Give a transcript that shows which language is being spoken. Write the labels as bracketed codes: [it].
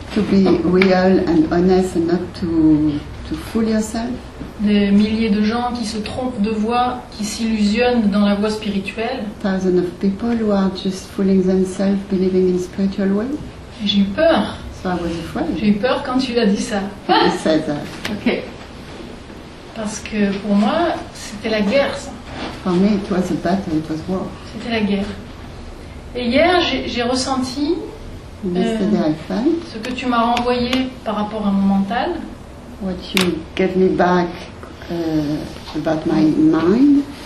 [en] To be real and honest and not to fool yourself. [fr] Des milliers de gens qui se trompent de voie, qui s'illusionnent dans la voie spirituelle. [en] Thousands of people who are just fooling themselves, believing in spiritual way. [fr] Et j'ai eu peur. [en] So I was afraid. [fr] J'ai eu peur quand tu as dit ça. [en] I said that. Okay. [fr] Parce que pour moi, c'était la guerre, ça. [en] For me, it was a battle, it was war. [fr] C'était la guerre. Et hier, j'ai ressenti ce que tu m'as renvoyé par rapport à mon mental. [en] What you gave me back about my mind.